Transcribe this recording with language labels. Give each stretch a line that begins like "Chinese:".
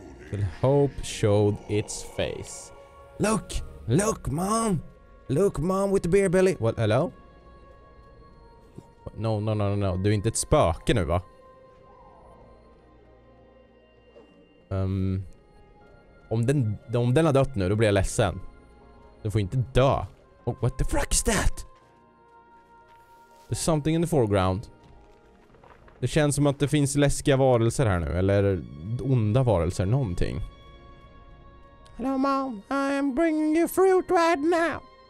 English: The hope showed its face. Look. Look, mom. Look, mom with the beer belly. What? Hello? No, no, no, no, no.
Swedish: Du är inte ett spöke nu, va? Om den har dött nu, då blir jag ledsen. Den får inte dö.
English: Oh, what the fuck is that? There's something in the foreground.
Swedish: Det känns som att det finns läskiga varelser här nu. Eller onda varelser, någonting.
English: Hello, mom. I'm bringing you fruit right now.